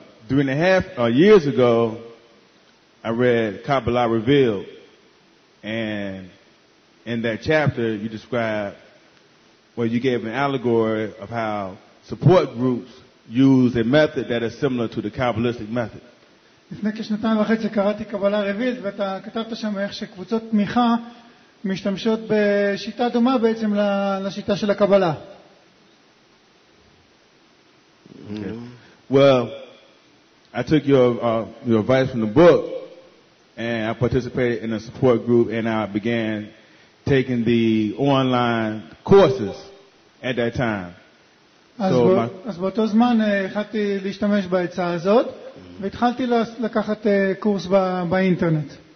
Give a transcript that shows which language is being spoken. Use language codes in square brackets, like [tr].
[en] Years ago I read Kabbalah Revealed, and in that chapter you described, well, you gave an allegory of how support groups use a method that is similar to the Kabbalistic method. [he] לפני כשנתיים וחצי קראתי קבלה רביעית, ואתה כתבת שם איך שקבוצות תמיכה משתמשות בשיטה דומה בעצם לשיטה של הקבלה. [en] Well, I took your advice from the book, and I participated in a support group, and I began taking the online courses at that time. [he] אז באותו זמן החלטתי להשתמש בהצעה הזאת, והתחלתי לקחת קורס באינטרנט.